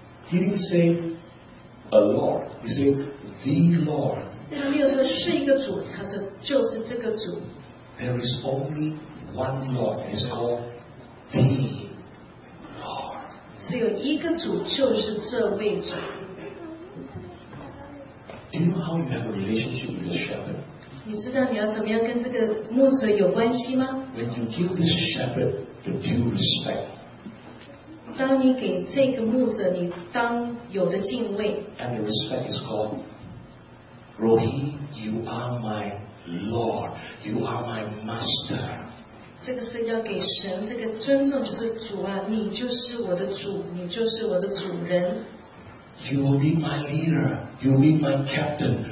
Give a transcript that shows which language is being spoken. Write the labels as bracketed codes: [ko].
[en] He didn't say a Lord. He said, the Lord. [zh] 他没有说是一个主，他说就是这个主。 [en] There is only one Lord. It's called the Lord. [zh] 只有一个主，就是这位主。 [en] Do you know how you have a relationship with the shepherd? [zh] 你知道你要怎么样跟这个牧者有关系吗？ [en] When you give the shepherd the due respect, [zh] 当你给这个牧者, 你当有的敬畏, [en] and the respect is called, Rohi, you are my Lord, you are my Master. [zh] 这个是要给神, 这个尊重就是主啊, 你就是我的主, 你就是我的主人。 [en] You will be my leader, you will be my captain.